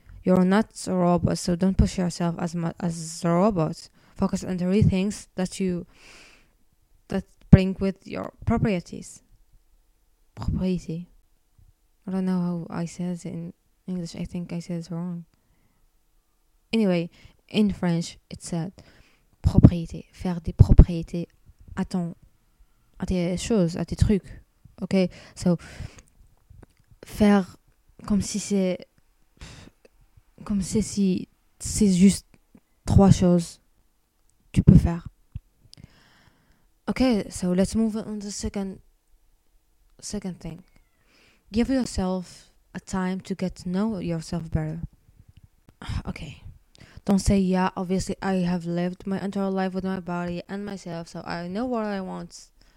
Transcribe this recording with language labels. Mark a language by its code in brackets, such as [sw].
[en] You're not a robot, so don't push yourself as much as a robot. Focus on 3 things that bring with your priorities. Propriety. I don't know how I say it in English, I think I said it wrong. Anyway, in French, it said [fr] propriété, faire des propriétés à tes choses, à tes trucs. [en] Okay, so [fr] faire comme si c'est juste 3 choses tu peux faire. [en] Okay, so let's move on to the second thing. Give yourself a time to get to know yourself better. Okay, don't say yeah. Obviously, I have lived my entire life with my body and myself, so I know what I want.